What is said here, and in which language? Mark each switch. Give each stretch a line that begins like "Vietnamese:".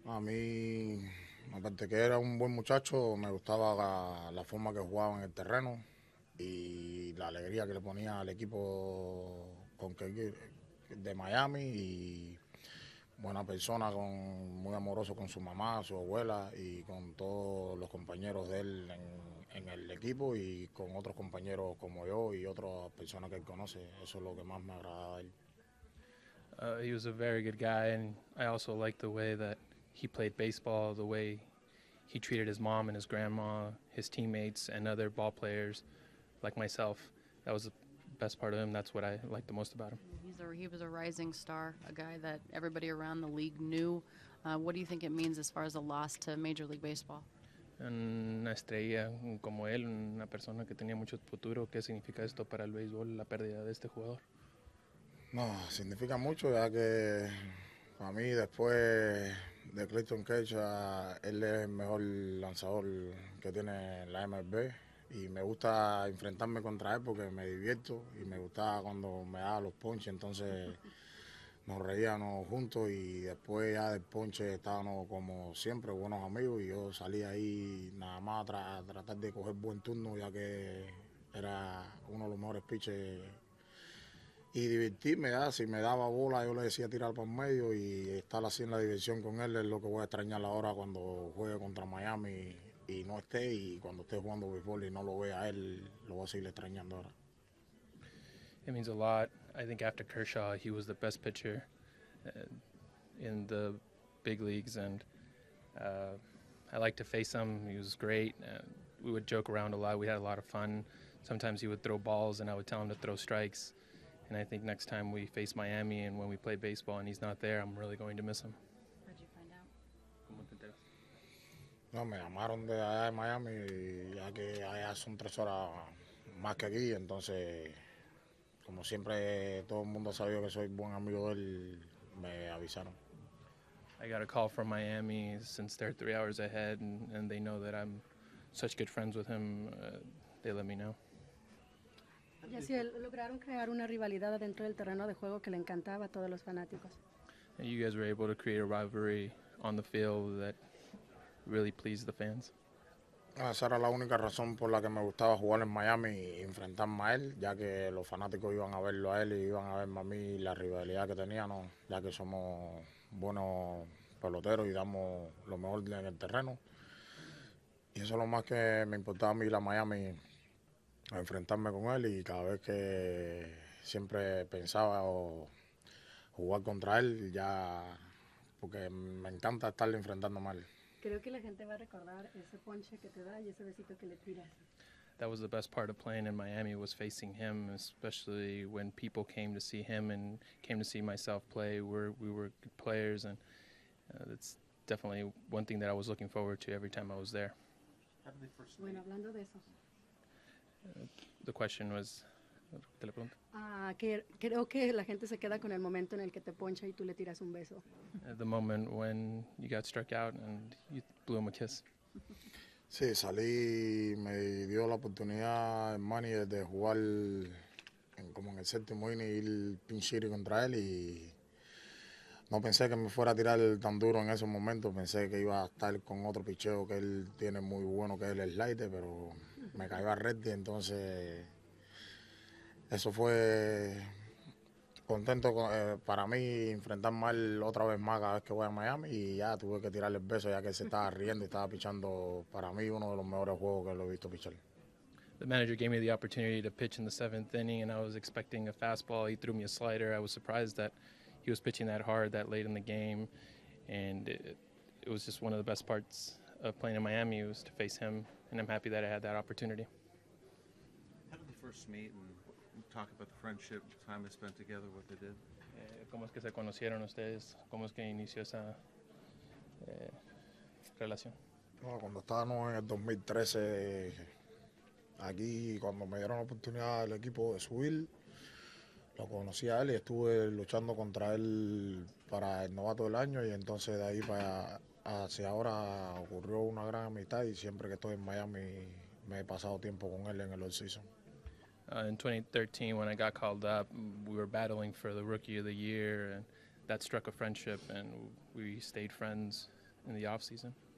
Spanish: A mí, aparte que era un buen muchacho, me gustaba la forma que jugaba en el terreno y la alegría que le ponía al equipo con que de Miami y buena persona, muy amoroso con su mamá, su abuela y con todos los compañeros de él en el equipo y con otros compañeros como yo y otras personas que él conoce. Eso es lo que más me agrada de él.
English: He was a very good guy, and I also liked the way that he played baseball, the way he treated his mom and his grandma, his teammates, and other ball players like myself. That was the best part of him. That's what I liked the most about him. He was a rising star, a guy that everybody around the league knew. What do you think it means as far as a loss to Major League Baseball?
Spanish: Una estrella como él, una persona que tenía mucho futuro, ¿qué significa esto para el béisbol, la pérdida de este jugador? No, significa mucho, ya que para mí después de Clayton Kershaw, él es el mejor lanzador que tiene la MLB y me gusta enfrentarme contra él porque me divierto y me gustaba cuando me daba los ponches, entonces nos reíamos juntos y después ya del ponche estábamos como siempre, buenos amigos y yo salía ahí nada más a tratar de coger buen turno, ya que era uno de los mejores pitchers. Y divertirme, ¿eh? Si me daba bola, yo le decía tirar para el medio y estar así en la diversión con él es lo que voy a extrañar ahora cuando juegue contra Miami y no esté y cuando esté jugando béisbol y no lo vea a él, lo voy a seguir extrañando ahora.
English: It means a lot. I think after Kershaw, he was the best pitcher in the big leagues, and I liked to face him. He was great. We would joke around a lot. We had a lot of fun. Sometimes he would throw balls, and I would tell him to throw strikes. And I think next time we face Miami and when we play baseball and he's not there, I'm really going to miss him. How'd you find out?
Spanish: ¿Cómo te enteras? No, me llamaron de allá de Miami, ya que allá son 3 horas más que aquí, entonces, como siempre, todo el mundo ha sabido que soy buen amigo de él, me avisaron.
English: I got a call from Miami since they're 3 hours ahead, and they know that I'm such good friends with him. They let me know.
Spanish: Y así lograron crear una rivalidad dentro del terreno de juego que le encantaba a todos los fanáticos.
English: And you guys were able to create a rivalry on the field that really pleased the fans.
Spanish: Esa era la única razón por la que me gustaba jugar en Miami y enfrentarme a él, ya que los fanáticos iban a verlo a él y iban a verme a mí y la rivalidad que teníamos, ya que somos buenos peloteros y damos lo mejor en el terreno. Y eso es lo más que me importaba a mí ir a Miami, a enfrentarme con él y cada vez que siempre pensaba jugar contra él, ya porque me encanta estarle enfrentándome a él. Creo que la gente va a recordar ese ponche que te da y ese besito que le tiras.
English: That was the best part of playing in Miami, was facing him, especially when people came to see him and came to see myself play. We were good players, and that's definitely one thing that I was looking forward to every time I was there.
Spanish: Bueno, hablando de eso.
English: The question was,
Spanish: ¿te lo pregunto? Creo que la gente se queda con el momento en el que te poncha y tú le tiras un beso.
English: The moment when you got struck out and you blew him a kiss.
Spanish: Sí, salí, me dio la oportunidad el manager de jugar como en el séptimo inning y el pinch hitting contra él y no pensé que me fuera a tirar tan duro en ese momento, pensé que iba a estar con otro picheo que él tiene muy bueno que es el slider, pero me cayó a red y entonces eso fue contento con, para mí enfrentarme a él otra vez más cada vez que voy a Miami, y ya tuve que tirarle el beso ya que se estaba riendo y estaba pichando para mí uno de los mejores juegos que lo he visto pichar.
English: The manager gave me the opportunity to pitch in the seventh inning, and I was expecting a fastball. He threw me a slider. I was surprised that he was pitching that hard that late in the game, and it was just one of the best parts of playing in Miami was to face him, and I'm happy that I had that opportunity. How did the first meet, and talk about the friendship, the time they spent together, what they did?
Spanish: ¿Cómo es que se conocieron ustedes? ¿Cómo es que inició esa relación? Bueno, cuando estábamos en el 2013, aquí, cuando me dieron la oportunidad del equipo de subir, lo conocí a él y estuve luchando contra él para el novato del año, y entonces de ahí para hacia ahora ocurrió una gran amistad, y siempre que estoy en Miami me he pasado tiempo con él en el off-season.
English: In 2013, when I got called up, we were battling for the Rookie of the Year, and that struck a friendship, and we stayed friends in the off-season.